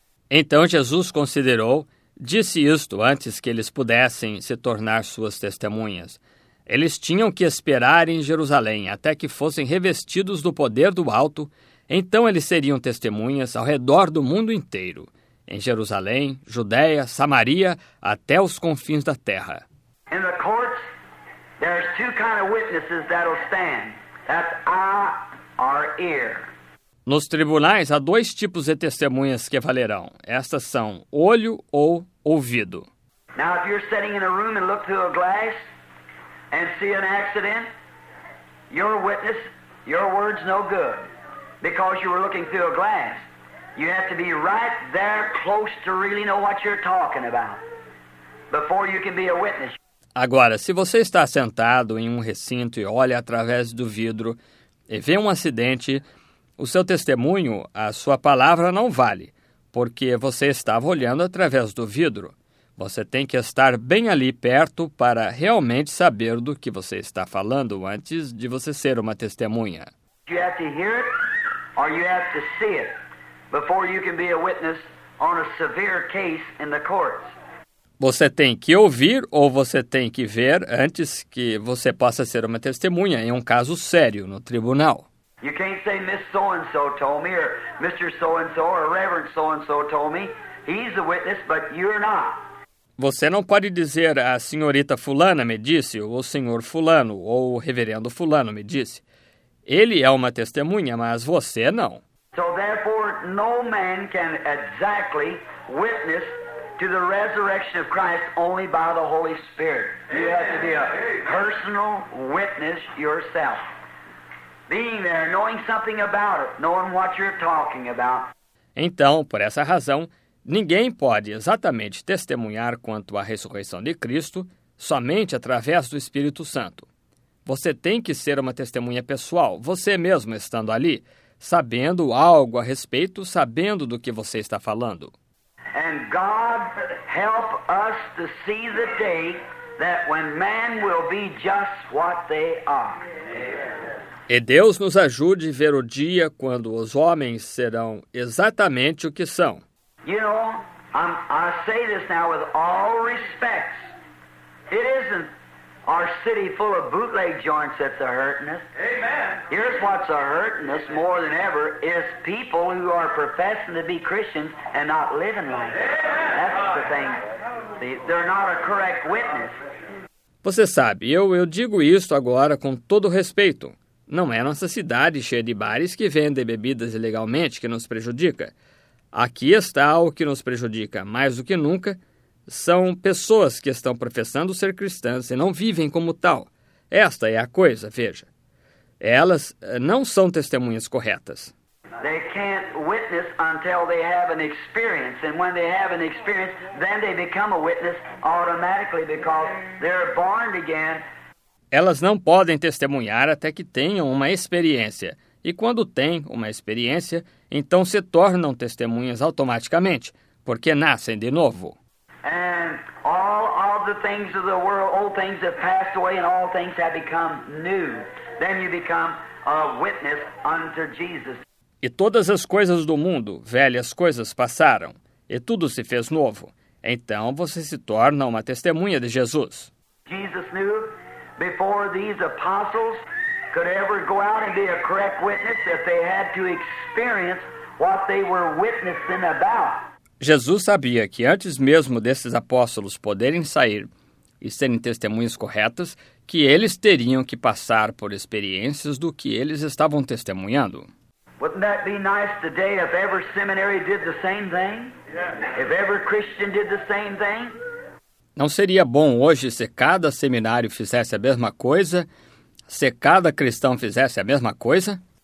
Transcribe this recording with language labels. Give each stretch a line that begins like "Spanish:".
Portuguese: Então Jesus considerou, disse isto antes que eles pudessem se tornar suas testemunhas. Eles tinham que esperar em Jerusalém até que fossem revestidos do poder do alto. Então eles seriam testemunhas ao redor do mundo inteiro, em Jerusalém, Judeia, Samaria, até os confins da terra.
English: In the courts, there's two kind of witnesses that'll stand. That's eye or ear.
Portuguese: Nos tribunais, há dois tipos de testemunhas que valerão. Estas são olho ou ouvido.
English: Now, if you're sitting in a room and look through a glass and see an accident, your witness, your word's no good. Because you were looking through a glass, you have to be right there close to really know what you're talking about before you can be a witness.
Portuguese: Agora, se você está sentado em um recinto e olha através do vidro e vê um acidente, o seu testemunho, a sua palavra não vale, porque você estava olhando através do vidro. Você tem que estar bem ali perto para realmente saber do que você está falando antes de você ser uma testemunha.
English: You have to hear it or you have to see it before you can be a witness on a severe case in the courts.
Portuguese: Você tem que ouvir ou você tem que ver antes que você possa ser uma testemunha em um caso sério no tribunal.
English: You can't say Miss So-and-so told me, or Mr. So-and-so, or Reverend So-and-so told me. He's a witness, but you're not.
Portuguese: Você não pode dizer a senhorita fulana me disse, ou o senhor fulano, ou o reverendo fulano me disse. Ele é uma testemunha, mas você não.
English: So therefore, no man can exactly witness to the resurrection of Christ only by the Holy Spirit. You have to be a personal witness yourself. Being there, knowing something about it, knowing what you're talking about.
Portuguese: Então, por essa razão, ninguém pode exatamente testemunhar quanto à ressurreição de Cristo somente através do Espírito Santo. Você tem que ser uma testemunha pessoal, você mesmo estando ali, sabendo algo a respeito, sabendo do que você está falando.
English: And God help us to see the day that when man will be just what they are.
Portuguese: E Deus nos ajude a ver o dia quando os homens serão exatamente o que são.
English: You know, I say this now with all respects. It isn't our city full of bootleg joints that's a hurting us. Amen. Here's what's a hurting us more than ever is people who are professing to be Christians and not living like that. That's the thing. They're not a correct witness.
Portuguese: Você sabe, eu digo isto agora com todo respeito. Não é nossa cidade cheia de bares que vendem bebidas ilegalmente que nos prejudica. Aqui está o que nos prejudica mais do que nunca. São pessoas que estão professando ser cristãs e não vivem como tal. Esta é a coisa, veja. Elas não são testemunhas corretas.
English: They can't witness until they have an experience. And when they have an experience, then they become a witness automatically because they're born again.
Portuguese: Elas não podem testemunhar até que tenham uma experiência. E quando têm uma experiência, então se tornam testemunhas automaticamente, porque nascem de novo.
English: And all of the things of the world, old things have passed away and all things have become new. Then you become a witness unto Jesus.
Portuguese: E todas as coisas do mundo, velhas coisas passaram, e tudo se fez novo. Então você se torna uma testemunha de Jesus.
English: Jesus knew before these apostles could ever go out and be a correct witness that they had to experience what they were witnessing about.
Portuguese: Jesus sabia que antes mesmo desses apóstolos poderem sair e serem testemunhas corretas, que eles teriam que passar por experiências do que eles estavam testemunhando.
English: Wouldn't that be nice today if every seminary did the same thing? Yeah. If every Christian did the same thing?
Portuguese: Não seria bom hoje se cada seminário fizesse a mesma coisa? Se cada cristão fizesse a mesma coisa?